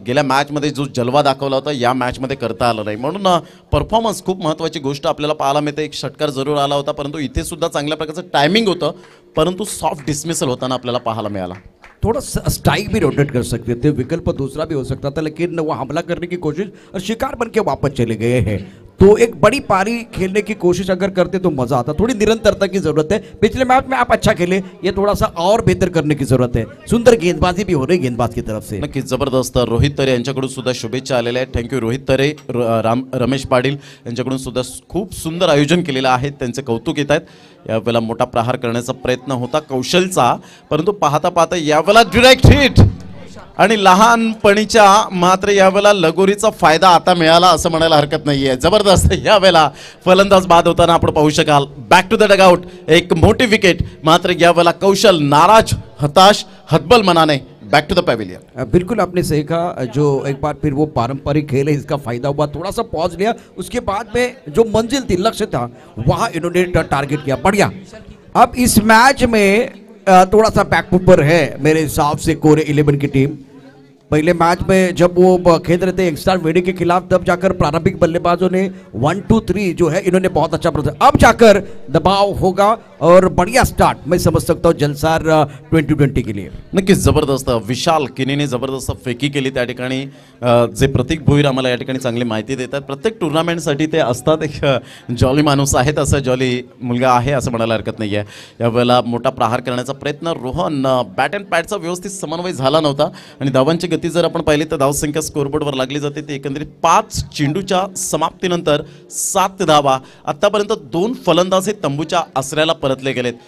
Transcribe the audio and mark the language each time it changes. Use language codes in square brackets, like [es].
[mr] गेल्या मॅचमध्ये जो जलवा दाखवला होता या मॅचमध्ये करता आला नाही, म्हणून परफॉर्मन्स खूप महत्त्वाची गोष्ट आपल्याला पाहायला मिळते. एक षटकार जरूर आला होता परंतु इथे सुद्धा चांगल्या प्रकारचं टायमिंग होतं, परंतु सॉफ्ट डिसमिसल होताना आपल्याला पाहायला मिळाला. [hi] थोड़ा स्ट्राइक भी रोटेट कर सकते थे, विकल्प दूसरा भी हो सकता था, लेकिन वो हमला करने की कोशिश और शिकार बन के वापस चले गए हैं. तो एक बड़ी पारी खेलने की कोशिश अगर करते तो मजा आता, थोड़ी निरंतरता की जरूरत है. पिछले मैच में आप अच्छा खेले, ये थोड़ा सा और बेहतर करने की जरूरत है. सुंदर गेंदबाजी भी हो रही गेंदबाज की तरफ से, [mr] नक्की जबरदस्त. रोहित तरे यांच्याकडून सुद्धा शुभेच्छा आलेल्या आहेत, थँक्यू रोहित तरे. रमेश पाटील यांच्याकडून सुद्धा खूप सुंदर आयोजन केलेलं आहे, त्यांचे कौतुक येत आहेत. यावेळेला मोठा प्रहार करण्याचा प्रयत्न होता कौशलचा, परंतु पाहता पाहता यावेळेला डिरेक्ट हिट आणि लहानपणीच्या मात्र यावेळेला लगोरीचा फायदा आता मिळाला असं म्हणायला हरकत नाही आहे. जबरदस्त यावेळेला फलंदाज बाद होताना आपण पाहू शकाल, [en] back to the dugout, [mr] एक मोठी विकेट. मात्र यावेळेला कौशल नाराज, हताश, हतबल मनाने [en] Back to the pavilion. [hi] बिल्कुल आपने सही कहा, जो एक बार फिर वो पारंपरिक खेल है इसका फायदा हुआ, थोड़ा सा पॉज लिया, उसके बाद में जो मंजिल थी, लक्ष्य था, वहां इन्होंने टारगेट किया, बढ़िया. अब इस मैच में थोड़ा सा बैक फुट पर है मेरे हिसाब से कोरे 11 की टीम. पहले मैच में जब वो खेल रहे थे एक स्टार वेडे के खिलाफ, तब जाकर प्रारंभिक बल्लेबाजों ने 1-2-3 जो है इन्होंने बहुत अच्छा प्रदर्शन, अब जाकर दबाव होगा और बढ़िया स्टार्ट मैं समझ सकता हूँ जलसार 2020 के लिए. [mr] नक्की जबरदस्त. विशाल किनी ने जबरदस्त फेकी के लिए त्या ठिकाणी, जे प्रतीक भोईर आम्हाला या ठिकाणी चांगली माहिती देतात, प्रत्येक टूर्नामेंटसाठी ते असतात, एक जॉली माणूस आहेत, असं जॉली मुलगा आहे असं म्हणायला हरकत नाही आहे. यावेळेला मोठा प्रहार करण्याचा प्रयत्न, रोहन बॅट अँड पॅडचा व्यवस्थित समन्वय झाला नव्हता आणि धावांची गती जर आपण पाहिली तर धावसंख्या स्कोरबोर्डवर लागली जाते. ते एकंदरीत 5 चेंडूच्या समाप्तीनंतर 7 धावा, आत्तापर्यंत 2 फलंदाज हे तंबूच्या आसऱ्याला परतले गेलेत.